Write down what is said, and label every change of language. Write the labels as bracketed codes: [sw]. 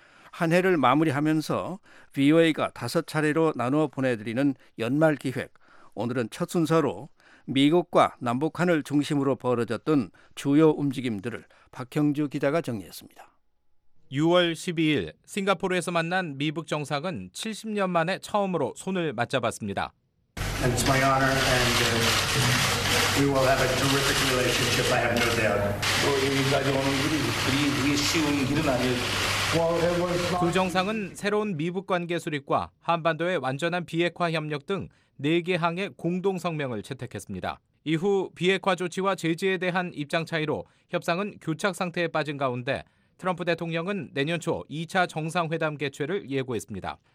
[ko] 한 해를 마무리하면서 VOA가 다섯 차례로 나누어 보내드리는 연말 기획, 오늘은 첫 순서로 미국과 남북한을 중심으로 벌어졌던 주요 움직임들을 박형주 기자가 정리했습니다. 6월 12일 싱가포르에서 만난 미북 정상은 70년 만에 처음으로 손을 맞잡았습니다. [en] And it's my honor and we will have a terrific relationship, I have no doubt. [ko] 두 정상은 새로운 미북 관계 수립과 한반도의 완전한 비핵화 협력 등 4개 항의 공동 성명을 채택했습니다. 이후 비핵화 조치와 제재에 대한 입장 차이로 협상은 교착 상태에 빠진 가운데 트럼프 대통령은 내년 초 2차 정상회담 개최를 예고했습니다.